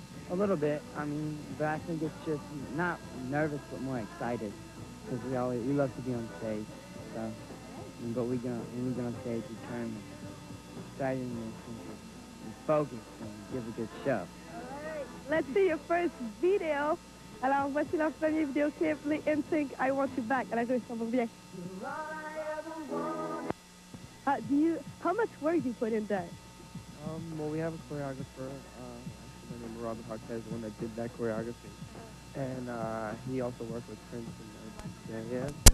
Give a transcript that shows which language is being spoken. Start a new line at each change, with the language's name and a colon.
English: A little bit. I mean, but I think it's just not nervous, but more excited. Because we love to be on stage. So, but when we get on stage, we turn excited and focus and give a good show. All right, let's see your first video.
French: Alors, voici leur premier vidéoclip, les NSYNC, I Want You Back. Alors, je vous reviens.
English: How much work do you put in that? We have a choreographer, actually, my name is Robert Hartez, the one that did that choreography. And he also worked with Prince and Jerry.